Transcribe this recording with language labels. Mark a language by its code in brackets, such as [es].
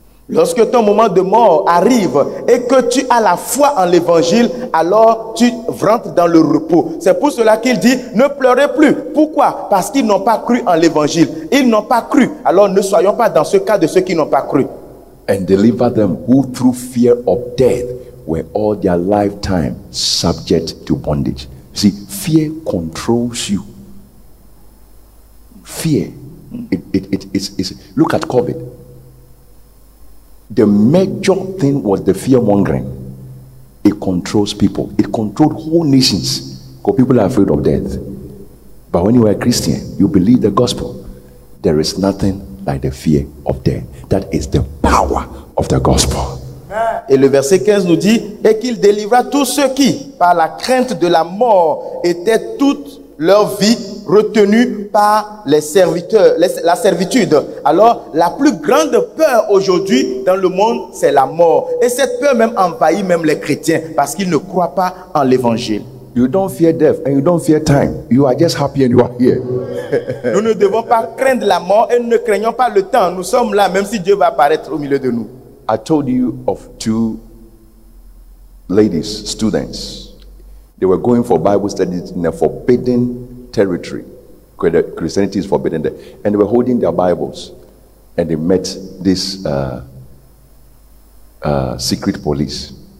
[fr] Lorsque ton moment de mort arrive et que tu as la foi en l'évangile, alors tu rentres dans le repos. C'est pour cela qu'il dit, ne pleurez plus. Pourquoi? Parce qu'ils n'ont pas cru en l'évangile. Ils n'ont pas cru. Alors ne soyons pas dans ce cas de ceux qui n'ont pas cru. [en] And deliver them who through fear of death were all their lifetime subject to bondage. See, fear controls you. Fear. It's look at COVID. The major thing was the fear mongering. It controls people. It controlled whole nations because people are afraid of death. But when you are a Christian, you believe the gospel. There is nothing like the fear of death. That is the power of the gospel. [fr] Et le verset 15 nous dit, et qu'il délivra tous ceux qui, par la crainte de la mort, étaient toute leur vie retenue par les serviteurs, la servitude. Alors, la plus grande peur aujourd'hui dans le monde, c'est la mort. Et cette peur même envahit même les chrétiens parce qu'ils ne croient pas en l'évangile. [en] You don't fear death and you don't fear time. You are just happy and you are here. [fr] Nous ne devons pas craindre la mort et nous ne craignons pas le temps. Nous sommes là même si Dieu va apparaître au milieu de nous. [en] I told you of two ladies, students. They were going for Bible studies in a forbidden territory. Christianity is forbidden there. And they were holding their Bibles. And they met this secret police.